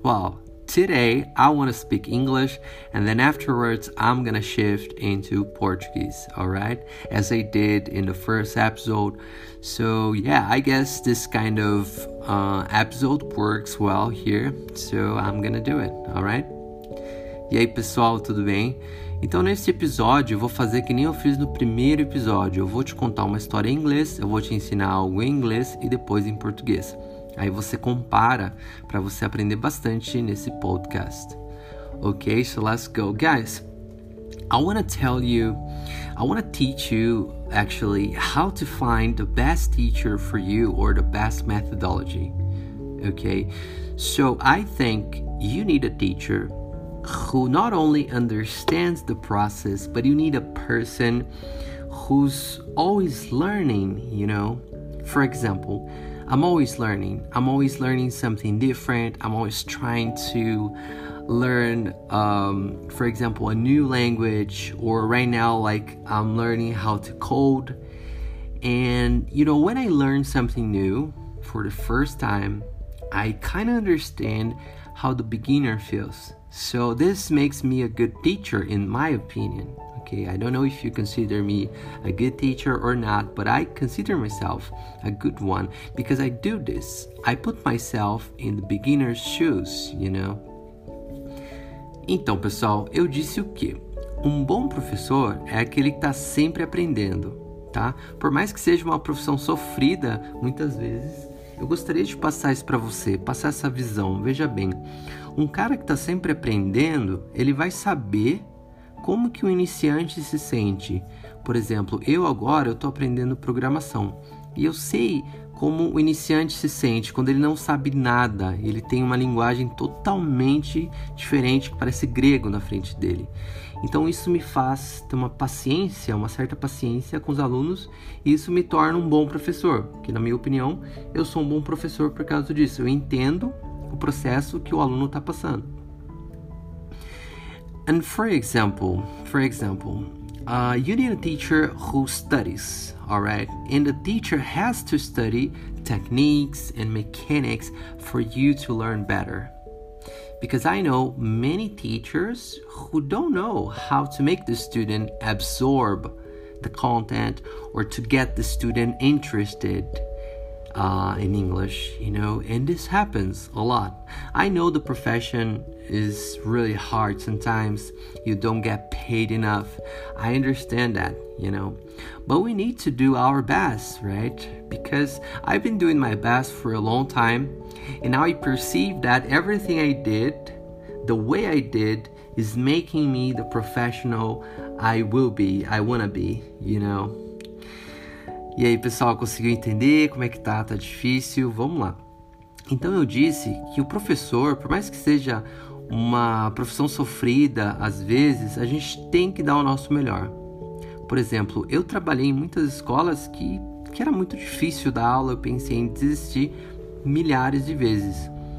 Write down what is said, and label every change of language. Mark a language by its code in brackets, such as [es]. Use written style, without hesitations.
[en] Well, today I want to speak English and then afterwards I'm gonna shift into Portuguese, alright? As I did in the first episode. So yeah, I guess this kind of episode works well here, so I'm gonna do it, alright? [pt] E aí pessoal, tudo bem? Então nesse episódio eu vou fazer que nem eu fiz no primeiro episódio. Eu vou te contar uma história em inglês, eu vou te ensinar algo em inglês e depois em português. Aí você compara para você aprender bastante nesse podcast. [en] Okay, so let's go. Guys, I want to teach you how to find the best teacher for you or the best methodology. Okay, so I think you need a teacher who not only understands the process, but you need a person who's always learning, you know. For example, I'm always learning something different. I'm always trying to learn, for example, a new language, or right now, like I'm learning how to code. And you know, when I learn something new for the first time, I kind of understand how the beginner feels. So this makes me a good teacher, in my opinion. Okay, I don't know if you consider me a good teacher or not, but I consider myself a good one because I do this. I put myself in the beginner's shoes, you know? [pt] Então, pessoal, eu disse o quê? Um bom professor é aquele que está sempre aprendendo, tá? Por mais que seja uma profissão sofrida, muitas vezes, eu gostaria de passar isso para você, passar essa visão. Veja bem, um cara que está sempre aprendendo, ele vai saber como que o iniciante se sente. Por exemplo, eu agora estou aprendendo programação e eu sei como o iniciante se sente quando ele não sabe nada, ele tem uma linguagem totalmente diferente que parece grego na frente dele. Então isso me faz ter uma certa paciência com os alunos e isso me torna um bom professor, que na minha opinião eu sou um bom professor por causa disso. Eu entendo o processo que o aluno está passando. [en] And for example, you need a teacher who studies, all right? And the teacher has to study techniques and mechanics for you to learn better. Because I know many teachers who don't know how to make the student absorb the content or to get the student interested in English, you know, and this happens a lot. I know the profession is really hard sometimes, you don't get paid enough. I understand that, you know, but we need to do our best, right? Because I've been doing my best for a long time, and now I perceive that everything I did, the way I did, is making me the professional I wanna be, you know. [pt] E aí, pessoal, conseguiu entender como é que tá? Tá difícil? Vamos lá. Então, eu disse que o professor, por mais que seja uma profissão sofrida, às vezes, a gente tem que dar o nosso melhor. Por exemplo, eu trabalhei em muitas escolas que era muito difícil dar aula, eu pensei em desistir milhares de vezes.